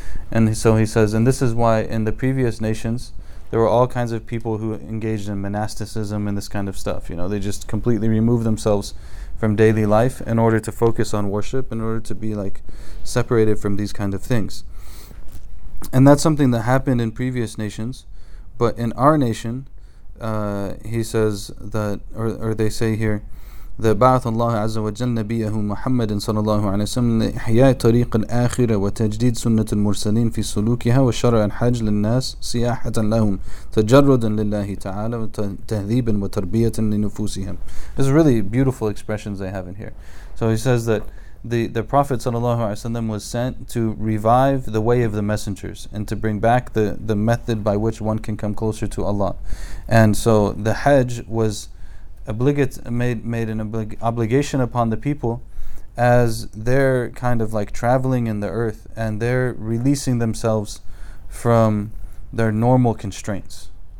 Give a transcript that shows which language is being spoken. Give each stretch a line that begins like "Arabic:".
English: And so he says, and this is why in the previous nations there were all kinds of people who engaged in monasticism and this kind of stuff. You know, they just completely removed themselves from daily life in order to focus on worship, in order to be like separated from these kind of things. And that's something that happened in previous nations, but in our nation, he says that, or they say here, that
Arabic: بعث الله عز وجل نبيه محمد صلى الله عليه وسلم لإحياء طريق الآخرة وتجديد سنة المرسلين في سلوكها وشرع الحج للناس سياحة لهم تجردا لله تعالى وتهذيبا وتربية لنفوسهم.
English: It's really beautiful expressions they have in here. So he says that the Prophet صلى الله عليه وسلم was sent to revive the way of the messengers and to bring back the method by which one can come closer to Allah. And so the Hajj was made an obligation upon the people as they're kind of like traveling in the earth and they're releasing themselves from their normal constraints.